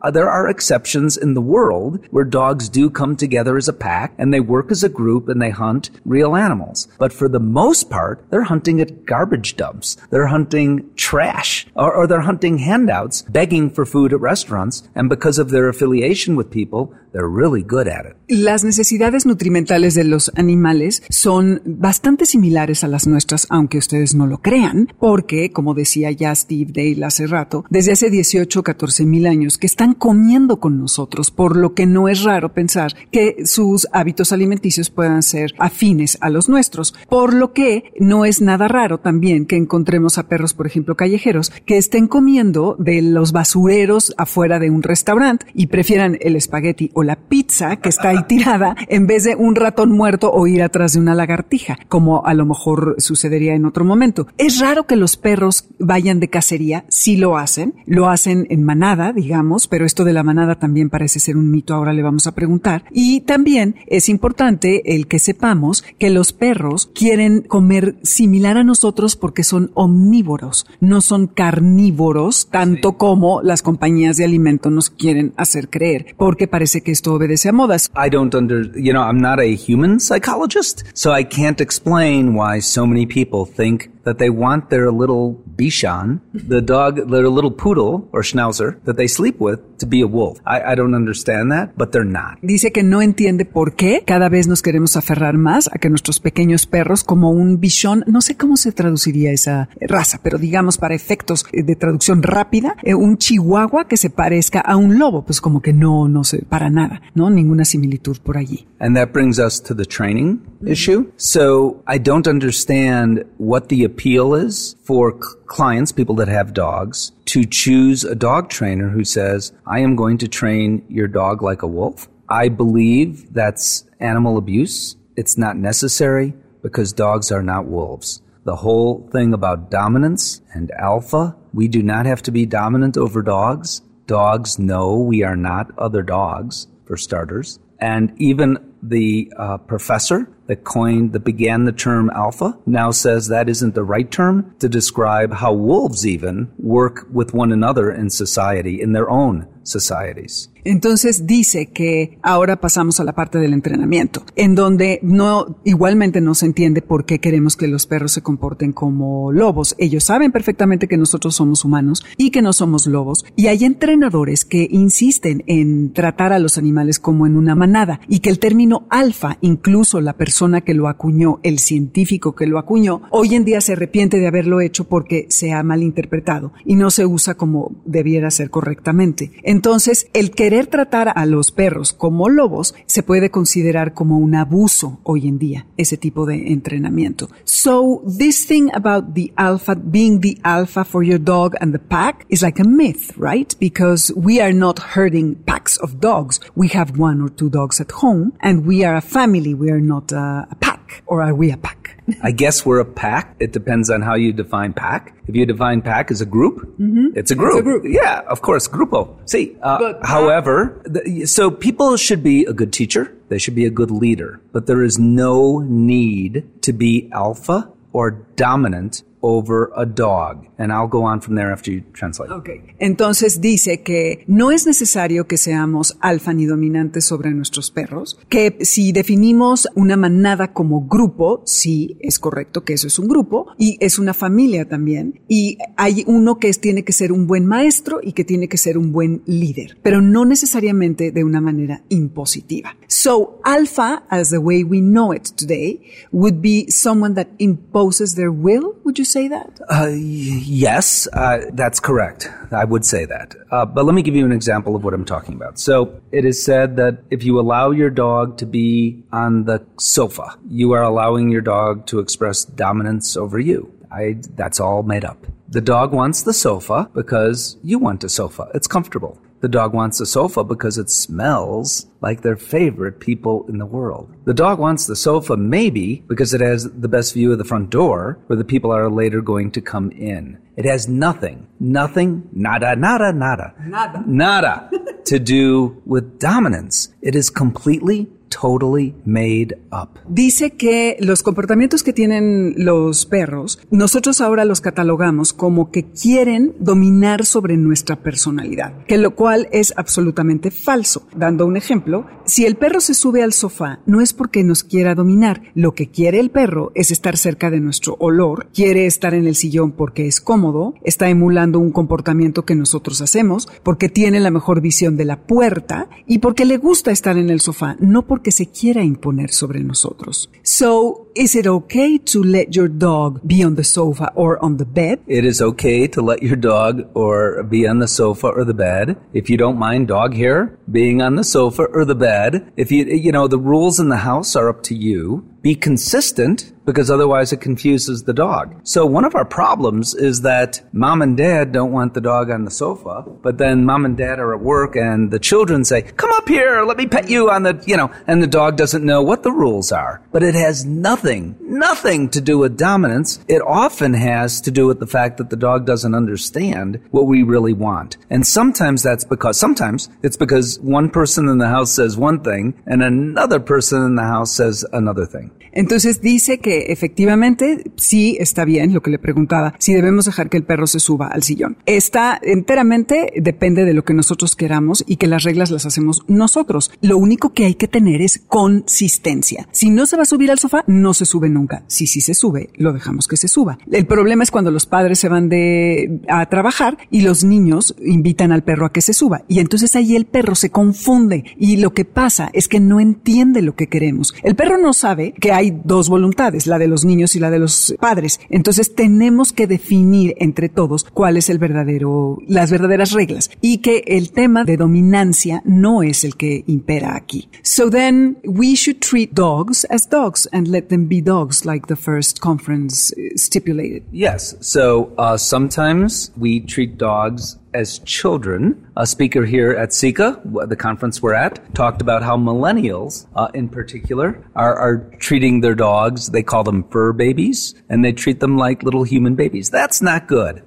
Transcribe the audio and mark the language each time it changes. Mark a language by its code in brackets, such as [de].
[en] There are exceptions in the world where dogs do come together as a pack and they work as a group and they hunt real animals. But for the most part, they're hunting at garbage dumps. They're hunting trash, or they're hunting handouts, begging for food at restaurants. And because of their affiliation with people, they're really good at it. [es] Las necesidades nutrimentales de los animales son bastante similares a las nuestras, aunque ustedes no lo crean, porque, como decía ya Steve Dale hace rato, desde hace 18, 14 mil años que están comiendo con nosotros, por lo que no es raro pensar que sus hábitos alimenticios puedan ser afines a los nuestros, por lo que no es nada raro también que encontremos a perros, por ejemplo, callejeros, que estén comiendo de los basureros afuera de un restaurante y prefieran el espagueti o la pizza que está ahí tirada en vez de un ratón muerto o ir atrás de una lagartija, como a lo mejor sucedería en otro momento. Es raro que los perros vayan de cacería, si lo hacen. Lo hacen en manada, digamos, pero esto de la manada también parece ser un mito, ahora le vamos a preguntar. Y también es importante el que sepamos que los perros quieren comer similar a nosotros porque son omnívoros, no son carnívoros, tanto sí, como las compañías de alimento nos quieren hacer creer, porque parece que esto obedece a modas. [en] I'm not a human psychologist, so I can't explain why so many people think that they want their little Bichon, the dog, their little poodle or schnauzer that they sleep with, to be a wolf. I don't understand that, but they're not. [es] Dice que no entiende por qué cada vez nos queremos aferrar más a que nuestros pequeños perros, como un bichón, no sé cómo se traduciría esa raza, pero digamos para efectos de traducción rápida, un chihuahua que se parezca a un lobo, pues como que no sé, para nada, ¿no? Ninguna similitud por allí. [en] And that brings us to the training issue. So I don't understand what the appeal is for clients, people that have dogs, to choose a dog trainer who says, I am going to train your dog like a wolf. I believe that's animal abuse. It's not necessary because dogs are not wolves. The whole thing about dominance and alpha, we do not have to be dominant over dogs. Dogs know we are not other dogs, for starters. And even the professor that coined, that began the term alpha, now says that isn't the right term to describe how wolves even work with one another in society, in their own societies. [es] Entonces dice que ahora pasamos a la parte del entrenamiento, en donde no, igualmente no se entiende por qué queremos que los perros se comporten como lobos. Ellos saben perfectamente que nosotros somos humanos y que no somos lobos. Y hay entrenadores que insisten en tratar a los animales como en una manada y que el término alfa, incluso la persona que lo acuñó, el científico que lo acuñó, hoy en día se arrepiente de haberlo hecho porque se ha malinterpretado y no se usa como debiera ser correctamente. Entonces, el querer tratar a los perros como lobos se puede considerar como un abuso hoy en día, ese tipo de entrenamiento. [en] So, this thing about the alpha, being the alpha for your dog and the pack, is like a myth, right? Because we are not herding packs of dogs. We have one or two dogs at home, and we are a family. We are not a pack. Or are we a pack? I guess we're a pack. It depends on how you define pack. If you define pack as a group, it's a group. It's a group. Yeah, of course, grupo. See, however, so people should be a good teacher. They should be a good leader. But there is no need to be alpha or dominant over a dog. And I'll go on from there after you translate. Okay. [es] Entonces dice que no es necesario que seamos alfa ni dominantes sobre nuestros perros, que si definimos una manada como grupo, sí, es correcto que eso es un grupo, y es una familia también, y hay uno que tiene que ser un buen maestro y que tiene que ser un buen líder, pero no necesariamente de una manera impositiva. [en] So, alpha, as the way we know it today, would be someone that imposes their will, would you say that? Yes, that's correct. I would say that. But let me give you an example of what I'm talking about. So it is said that if you allow your dog to be on the sofa, you are allowing your dog to express dominance over you. That's all made up. The dog wants the sofa because you want a sofa. It's comfortable. The dog wants the sofa because it smells like their favorite people in the world. The dog wants the sofa maybe because it has the best view of the front door where the people are later going to come in. It has nothing, nothing, nada, nada, nada, [es] nada, [en] nada to do with dominance. It is completely, totally made up. [es] Dice que los comportamientos que tienen los perros, nosotros ahora los catalogamos como que quieren dominar sobre nuestra personalidad, que lo cual es absolutamente falso. Dando un ejemplo, si el perro se sube al sofá, no es porque nos quiera dominar. Lo que quiere el perro es estar cerca de nuestro olor, quiere estar en el sillón porque es cómodo, está emulando un comportamiento que nosotros hacemos, porque tiene la mejor visión de la puerta y porque le gusta estar en el sofá, no porque se quiera imponer sobre nosotros. [en] So, is it okay to let your dog be on the sofa or on the bed? It is okay to let your dog or be on the sofa or the bed. If you don't mind dog hair being on the sofa or the bed, if you know, the rules in the house are up to you. Be consistent, because otherwise it confuses the dog. So one of our problems is that mom and dad don't want the dog on the sofa, but then mom and dad are at work and the children say, come up here, let me pet you on the, you know, and the dog doesn't know what the rules are. But it has nothing, nothing to do with dominance. It often has to do with the fact that the dog doesn't understand what we really want. And sometimes that's because, sometimes it's because one person in the house says one thing and another person in the house says another thing. [es] Entonces dice que efectivamente sí está bien lo que le preguntaba, si debemos dejar que el perro se suba al sillón. Está enteramente, depende de lo que nosotros queramos y que las reglas las hacemos nosotros. Lo único que hay que tener es consistencia. Si no se va a subir al sofá, no se sube nunca. Si sí se sube, lo dejamos que se suba. El problema es cuando los padres se van a trabajar y los niños invitan al perro a que se suba. Y entonces ahí el perro se confunde y lo que pasa es que no entiende lo que queremos. El perro no sabe que hay dos voluntades, la de los niños y la de los padres. Entonces tenemos que definir entre todos cuál es el verdadero, las verdaderas reglas y que el tema de dominancia no es el que impera aquí. [en] So then we should treat dogs as dogs and let them be dogs like the first conference stipulated. Yes, so sometimes we treat dogs as children. A speaker here at SICA, the conference we're at, talked about how millennials, in particular, are treating their dogs, they call them fur babies, and they treat them like little human babies. That's not good.